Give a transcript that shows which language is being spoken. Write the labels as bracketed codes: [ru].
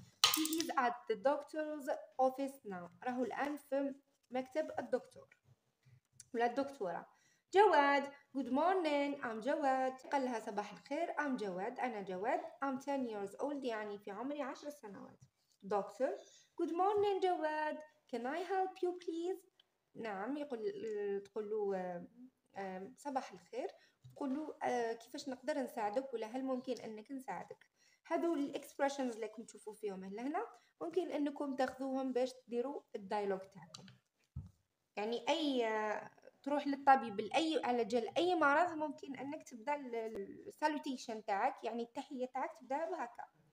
[en] He is at the doctor's office now, [ar] راهو الان في مكتب الدكتور ولا الدكتورة. [en] Jawad, good morning, I'm Jawad. [ar] قال لها صباح الخير, [en] I'm Jawad, [ar] أنا جواد. [en] I'm 10 years old, [ar] يعني في عمري 10 سنوات. [en] Doctor, good morning Jawad, can I help you please? [ar] نعم, تقول له صباح الخير, تقول له كيفاش نقدر نساعدك ولا هل ممكن أنك نساعدك. هذو الإكسبرشنز اللي كنت تشوفوا فيهم هنا ممكن أنكم تاخذوهم باش تديروا الديالوج تاعكم. يعني أي تروح للطبيب لأي على جال أي مرض ممكن أنك تبدأ السالوتيشن تاعك يعني التحية تاعك تبدأ بهكا.